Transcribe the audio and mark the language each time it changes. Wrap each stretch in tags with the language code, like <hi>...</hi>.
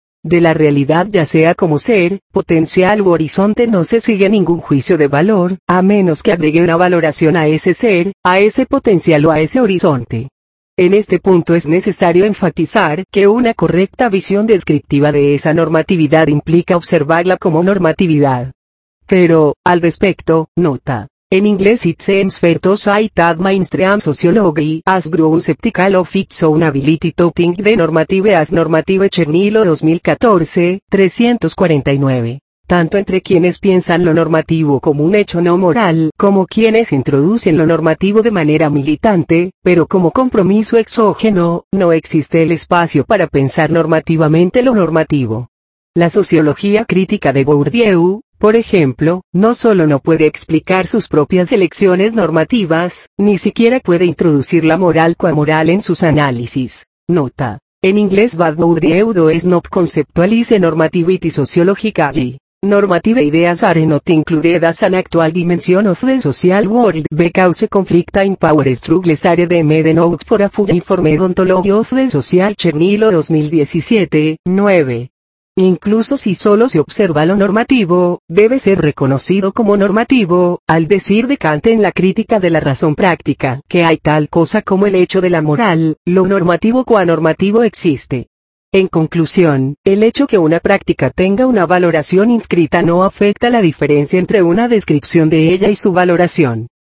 <es>De la realidad, ya sea como ser, potencial u horizonte, no se sigue ningún juicio de valor, a menos que agregue una valoración a ese ser, a ese potencial o a ese horizonte. En este punto es necesario enfatizar que una correcta visión descriptiva de esa normatividad implica observarla como normatividad. Pero, al respecto, nota. En inglés</es> <en>it seems fair to cite that mainstream sociology has grown skeptical of its own ability to think the normative as normative Chernilo 2014, 349.</en> <es>Tanto entre quienes piensan lo normativo como un hecho no moral, como quienes introducen lo normativo de manera militante, pero como compromiso exógeno, no existe el espacio para pensar normativamente lo normativo. La sociología crítica de Bourdieu, por ejemplo, no solo no puede explicar sus propias elecciones normativas, ni siquiera puede introducir la moral cua moral en sus análisis. Nota. En inglés</es> <en>Bad Bourdieu does not conceptualize normativity sociologically. Normative ideas are not included as an actual dimension of the social world because conflict and power struggles are the main out for a full informed ontology of the social Chernilo 2017, 9.</en> <es>Incluso si solo se observa lo normativo, debe ser reconocido como normativo, al decir de Kant en la crítica de la razón práctica, que hay tal cosa como el hecho de la moral, lo normativo cua normativo existe. En conclusión, el hecho que una práctica tenga una valoración inscrita no afecta la diferencia entre una descripción de ella y su valoración.</es>